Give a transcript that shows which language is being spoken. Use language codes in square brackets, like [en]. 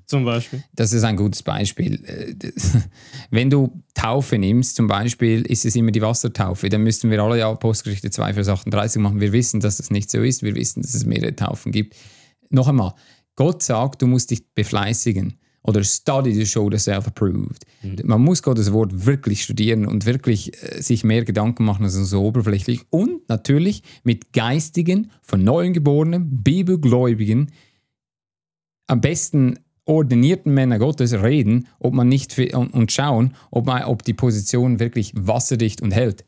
[de] Zum Beispiel. Das ist ein gutes Beispiel. Wenn du Taufe nimmst, zum Beispiel, ist es immer die Wassertaufe. Dann müssten wir alle ja Apostelgeschichte 2, Vers 38 machen. Wir wissen, dass das nicht so ist. Wir wissen, dass es mehrere Taufen gibt. Noch einmal, Gott sagt, du musst dich befleißigen. [en] Oder study to show the self-approved. Mhm. [de] Man muss Gottes Wort wirklich studieren und wirklich sich mehr Gedanken machen als so oberflächlich. Und natürlich mit geistigen, von Neuem geborenen, bibelgläubigen, am besten ordinierten Männern Gottes reden ob man nicht und schauen, ob die Position wirklich wasserdicht und hält.